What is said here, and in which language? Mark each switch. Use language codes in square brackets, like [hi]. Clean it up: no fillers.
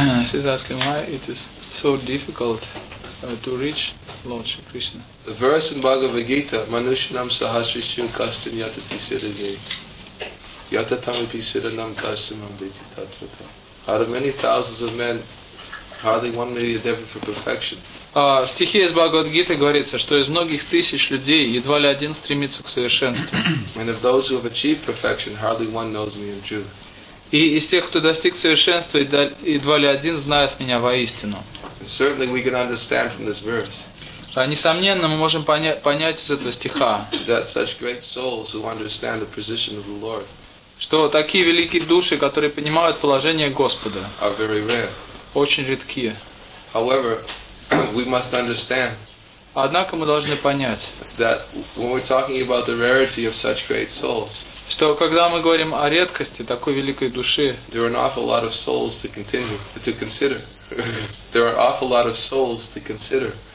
[en] She's asking why it is so difficult to reach Lord Shri Krishna. The verse in Bhagavad Gita, [sa] Manushinam Sahasrishim Kastin Yatati Siddhi, Yatatam Pi Siddhanam Kastinam Viti Tatvata. [en] Out of many thousands of men, hardly one may be a devotee for perfection. [ru] В стихе из Бхагавад-гиты говорится, что из многих тысяч людей едва ли один стремится к совершенству. [en] And of those who have achieved perfection, hardly one knows me in truth. [ru] И из тех, кто достиг совершенства, едва ли один знает меня воистину. [en] And certainly we can understand from this verse. [ru] Несомненно, мы можем понять из этого стиха, [en] that such great souls who understand the position of the Lord, [ru] что такие великие души, которые понимают положение Господа, [en] are very rare. [ru] Очень редки. [en] However, we must understand. [ru] Однако мы должны понять, [en] that when we're talking about the rarity of such great souls, [ru] что когда мы говорим о редкости такой великой души, [en] there are an awful lot of souls to continue to consider. There are awful lot of souls to consider.